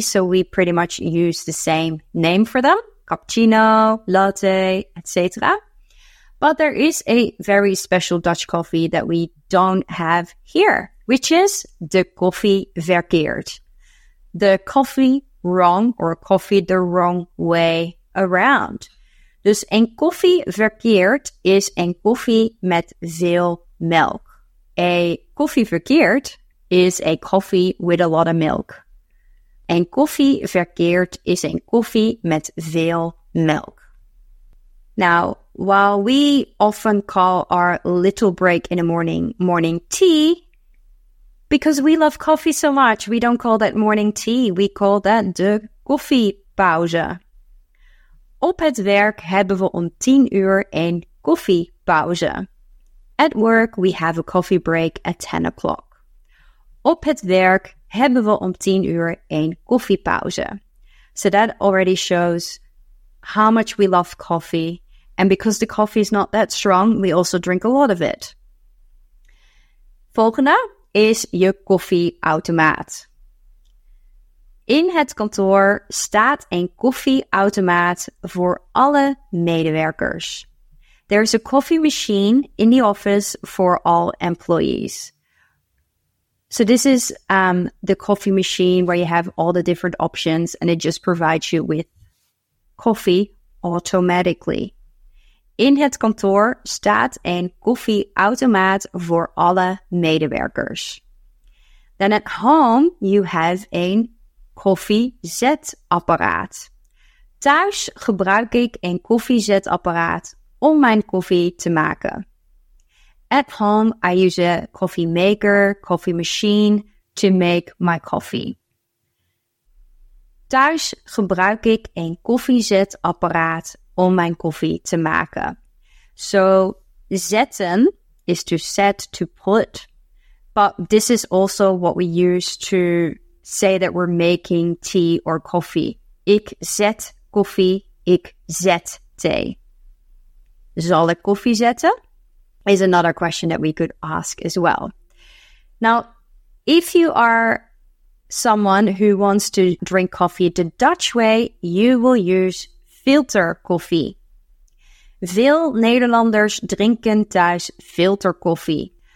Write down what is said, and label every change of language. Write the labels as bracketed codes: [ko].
[en] So we pretty much use the same name for them. Cappuccino, latte, etc. But there is a very special Dutch coffee that we don't have here, which is de koffie verkeerd. The coffee wrong or coffee the wrong way around. [nl] Dus een koffie verkeerd is een koffie met veel melk. [en] A koffie verkeerd is a coffee with a lot of milk. [nl] Een koffie verkeerd is een koffie met veel melk. [en] Now, while we often call our little break in the morning, morning tea, because we love coffee so much, we don't call that morning tea. We call that de koffiepauze. [nl] Op het werk hebben we om 10 uur een koffiepauze. [en] At work, we have a coffee break at 10 o'clock. [nl] Op het werk hebben we om 10 uur een koffiepauze. [en] So that already shows how much we love coffee. And because the coffee is not that strong, we also drink a lot of it. [nl] Volgende is je koffieautomaat. In het kantoor staat een koffieautomaat voor alle medewerkers. [en] There is a coffee machine in the office for all employees. So this is the coffee machine where you have all the different options and it just provides you with coffee automatically. [nl] In het kantoor staat een koffieautomaat voor alle medewerkers. [en] Then at home you have een koffiezetapparaat. [nl] Thuis gebruik ik een koffiezetapparaat om mijn koffie te maken. [en] At home I use a coffee maker, coffee machine to make my coffee. [nl] Thuis gebruik ik een koffiezetapparaat om mijn koffie te maken. [en] So, zetten is to set, to put. But this is also what we use to say that we're making tea or coffee. [nl] Ik zet koffie, ik zet thee. Zal ik koffie zetten? [en] Is another question that we could ask as well. Now, if you are someone who wants to drink coffee the Dutch way, you will use filter koffie. [nl] Veel Nederlanders drinken thuis filter koffie.